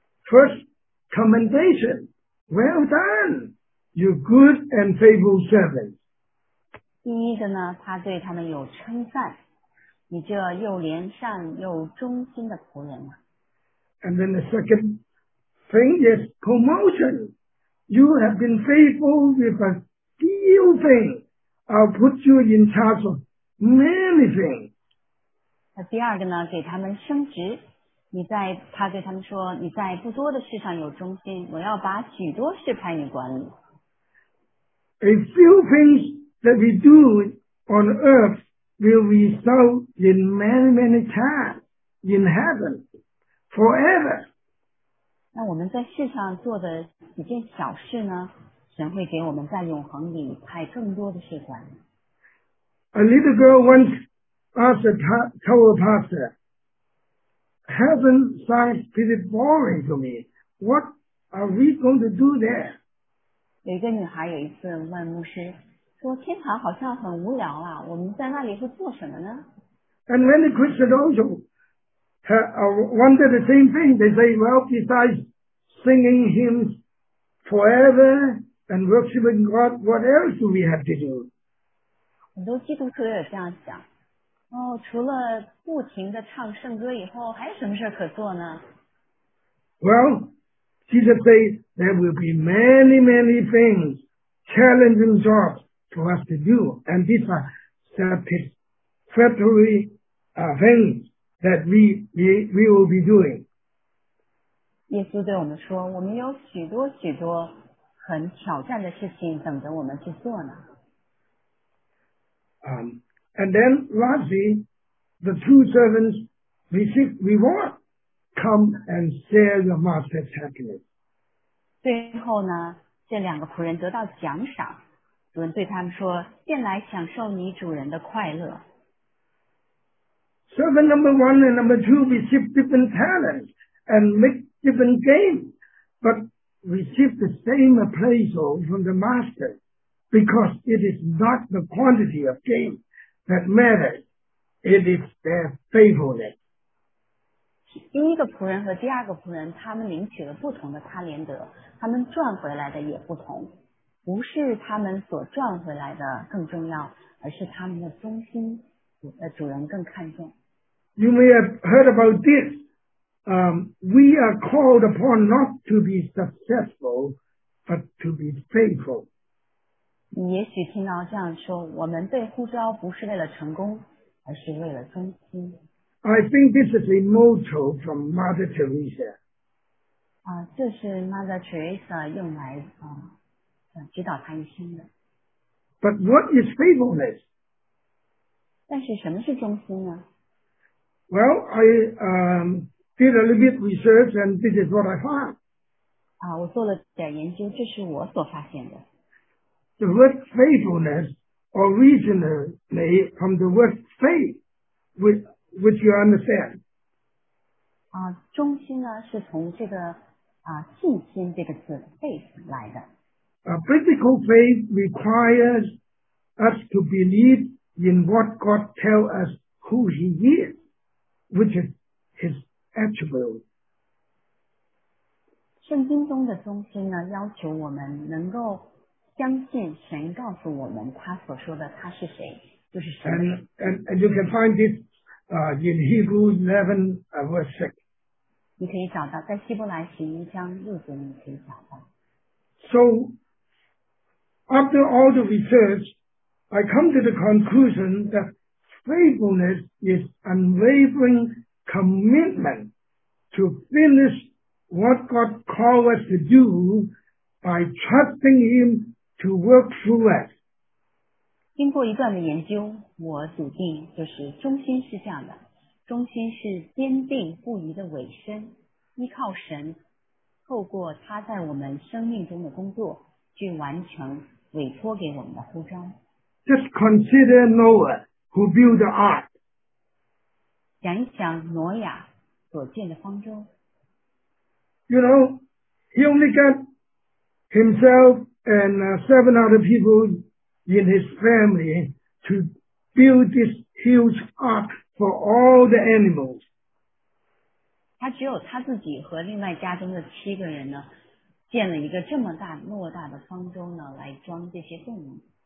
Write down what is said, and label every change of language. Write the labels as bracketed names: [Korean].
[English] First, commendation. Well done, you good and faithful servants. [Chinese] 第一个呢，他对他们有称赞，你这又良善又忠心的仆人啊。 [English] And then the second thing is promotion. You have been faithful with a few things. I'll put you in charge of many things. [Chinese] 那第二个呢，给他们升职。他对他们说，你在不多的事上有忠心，我要把许多事派你管理。 [English] A few things that we do on earth will result in many, many times in heaven. Forever. [Chinese] 那我们在世上做的几件小事呢，神会给我们在永恒里派更多的事管。 [English] A little girl once asked a tower pastor, "Heaven sounds pretty boring to me. What are we going to do there?" [Chinese] 有一个女孩有一次问牧师说，天堂好像很无聊啊，我们在那里会做什么呢？ [English] And when the Christian also. Wonder the same thing. They say, well, besides singing hymns forever and worshiping God, what else do we have to do? [Chinese] 很多基督徒也这样想。哦，除了不停地唱圣歌以后，还有什么事可做呢？ [English] Well, Jesus says there will be many, many things, challenging jobs for us to do, and these are satisfactory things. That we will be doing. [Chinese] 耶稣对我们说，我们有许多许多很挑战的事情等着我们去做呢。 [English] And then lastly, the two servants receive reward. Come and share your master's happiness. [Chinese] 最后呢，这两个仆人得到奖赏，主人对他们说，进来享受你主人的快乐。 [English] Servant number one and number two receive different talents and make different gains, but receive the same appraisal from the master because it is not the quantity of gain that matters, it is their faithfulness. [Chinese] 第一个仆人和第二个仆人他们领取了不同的他连得，他们赚回来的也不同，不是他们所赚回来的更重要，而是他们的忠心主人更看重。 [English] You may have heard about this. We are called upon not to be successful, but to be faithful. [Chinese] 你也许听到这样说，我们被呼召不是为了成功，而是为了忠心。 [English] I think this is a motto from Mother Teresa. [Chinese] 这是 Mother Teresa 用来指导她一生的。 [English] But what is faithfulness? [Chinese] 但是什么是忠心呢？ [English] Well, I did a little bit research and this is what I found. [Chinese] 我做了点研究，这是我所发现的。 [English] The word faithfulness originally from the word faith, which you understand. [Chinese] 忠心呢是从这个信心这个字 faith 来的。 [English] Biblical faith requires us to believe in what God tells us who he is. Which is his attribute. [Chinese] 圣经中的忠心呢，要求我们能够相信神告诉我们他所说的他是谁，就是神。 [English] And you can find this in Hebrews 11 verse 6. [Chinese] 你可以找到，在希伯来十一章六节你可以找到。 [English] So after all the research, I come to the conclusion that. Faithfulness is unwavering commitment to finish what God calls us to do by trusting Him to work through us. [Chinese] 经过一段的研究，我笃定就是忠心是这样的，忠心是坚定不移的委身，依靠神，透过他在我们生命中的工作去完成委托给我们的呼召。 [English] Just consider Noah. Who built the ark? [Chinese] 想一想挪亚所建的方舟。 [English] You know, he only got himself and seven other people in his family to build this huge ark for all the animals. [Chinese] 他只有他自己和另外家中的七个人呢，建了一个这么大偌大的方舟呢，来装这些动物。